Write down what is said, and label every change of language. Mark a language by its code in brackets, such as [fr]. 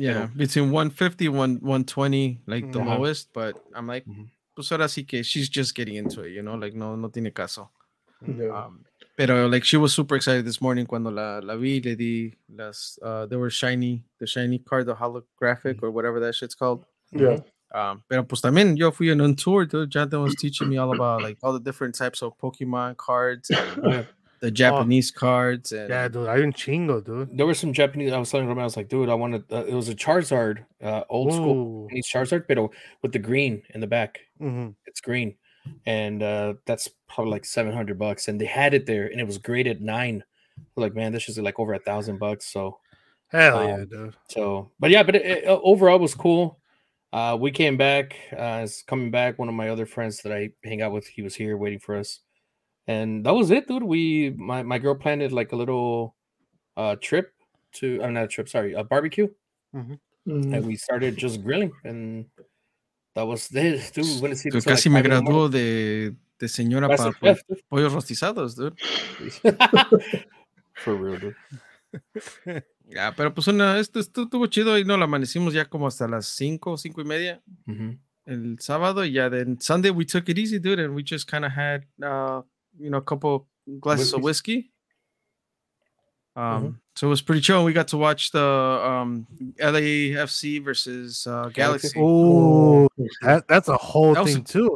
[en] Yeah, pero... between 150 and 120, like the lowest. But I'm like, [es] pues ahora sí que [en] she's just getting into it, you know? [es] Like, no tiene caso. [en] Yeah. But like she was super excited this morning when [es] la vi, le di las [en] they were shiny, the shiny card, the holographic or whatever that shit's called. Yeah. [es] Pero pues también yo fui en un tour, dude. [en] Jonathan was teaching me all about like all the different types of Pokemon cards, and the Japanese cards. And... yeah, dude, I didn't chingo, dude. There were some Japanese. I was telling Roman, I was like, dude, I wanted. It was a Charizard, old school Japanese Charizard, pero with the green in the back. Mm-hmm. It's green. And that's probably like $700, and they had it there, and it was graded 9. Like, man, this is like over $1,000. So, hell yeah, dude. So, but yeah, but it overall was cool. We came back. Coming back, one of my other friends that I hang out with, he was here waiting for us, and that was it, dude. My girl planned like a little trip to. I'm not a trip. Sorry, a barbecue, and we started just grilling and. That was this, dude. When it's [es] like casi me graduó de señora para pollos rostizados, dude. [en] For real, dude. [es] Yeah, pero pues esto estuvo chido y no, lo amanecimos ya como hasta las 5:30 el sábado. Y ya, [en] then Sunday we took it easy, dude, and we just kind of had, you know, a couple glasses of whiskey. So it was pretty chill. We got to watch the LAFC versus Galaxy. Oh, that's a whole thing too.